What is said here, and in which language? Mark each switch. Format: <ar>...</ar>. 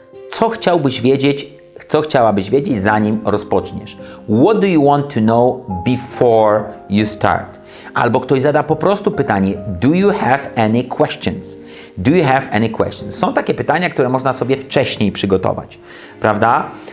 <pl>Co chciałbyś wiedzieć, co chciałabyś wiedzieć, zanim rozpoczniesz?</pl> <en>What do you want to know before you start?</en> <pl>Albo ktoś zada po prostu pytanie,</pl> <en>do you have any questions? Do you have any questions?</en> <pl>Są takie pytania, które można sobie wcześniej przygotować, prawda?</pl>